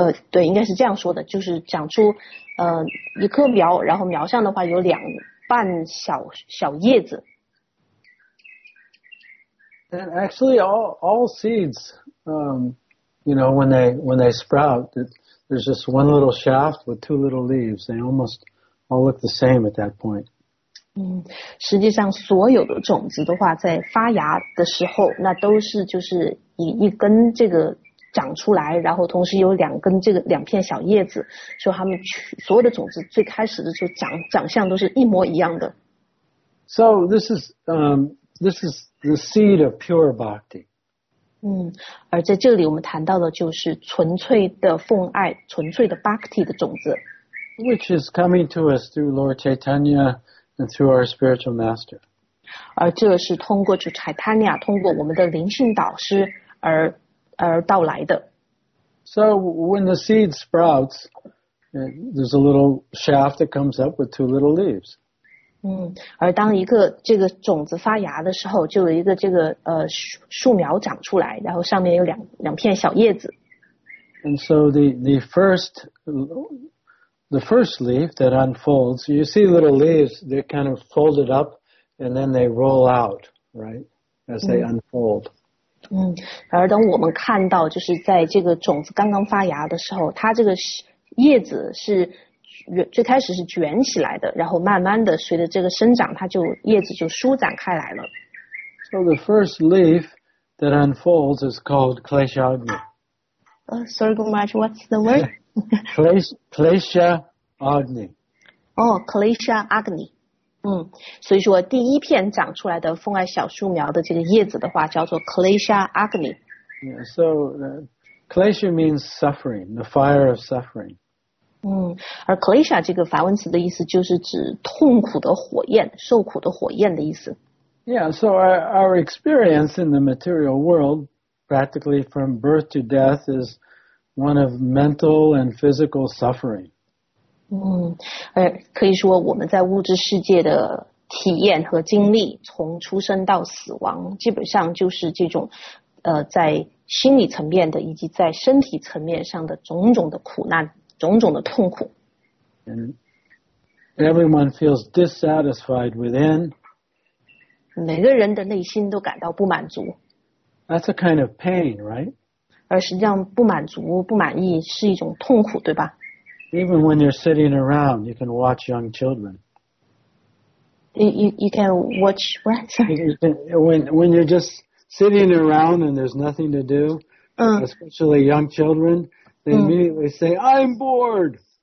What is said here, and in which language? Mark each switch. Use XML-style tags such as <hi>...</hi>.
<zh>对，应该是这样说的，就是长出一颗苗，然后苗上的话有两半小小叶子。</zh> <en>And actually, all seeds, you know, when they sprout, there's just one little shaft with two little leaves. They almost all look the same at that point.</en> <zh>实际上所有的种子的话，在发芽的时候，那都是就是以一根这个长出来，然后同时有两根这个两片小叶子，所以它们所有的种子最开始的就长相都是一模一样的。</zh> <en>So this is the seed of pure bhakti.</en> <zh>而在这里我们谈到的就是纯粹的奉爱，纯粹的 bhakti 的种子。</zh> <en>Which is coming to us through Lord Chaitanya and through our spiritual master.</en> <zh>而这是通过主 Chaitanya, 通过我们的灵性导师而到来的。</zh> <en>So when the seed sprouts, there's a little shaft that comes up with two little leaves.</en> <zh>而当一个这个种子发芽的时候，就有一个这个树苗长出来，然后上面有两片小叶子。</zh> <en>And so the first leaf that unfolds, you see little leaves, they're kind of folded up and then they roll out, right, as they unfold.</en> <zh>而当我们看到就是在这个种子刚刚发芽的时候，它这个叶子是最开始是卷起来的，然后慢慢的随着这个生长，它就叶子就舒展开来了。</zh> <en>So the first leaf that unfolds is called Kleshagni. Sorry, Gumaraj, what's the word? Kleshagni.</en> <zh>Oh, Kleshagni. 所以说第一片长出来的奉爱小树苗的这个叶子的话，叫做 Kleshagni.</zh> <en>Yeah, so Klesha means suffering, the fire of suffering.</en> <zh>而 Klesha 这个梵文词的意思就是指痛苦的火焰，受苦的火焰的意思。</zh> <en>Yeah, so our experience in the material world, practically from birth to death, is one of mental and physical suffering.</en> <zh>可以说我们在物质世界的体验和经历，从出生到死亡，基本上就是这种在心理层面的以及在身体层面上的种种的苦难。种种的痛苦。</zh> <en>And everyone feels dissatisfied within.</en> <zh>每个人的内心都感到不满足。</zh> <en>That's a kind of pain, right?</en> <zh>而实际上不满足、不满意是一种痛苦，对吧？</zh> <en>Even when you're sitting around, you can watch young children. You can watch what? When you're just sitting around and there's nothing to do, especially young children,They immediately say, I'm bored.</en>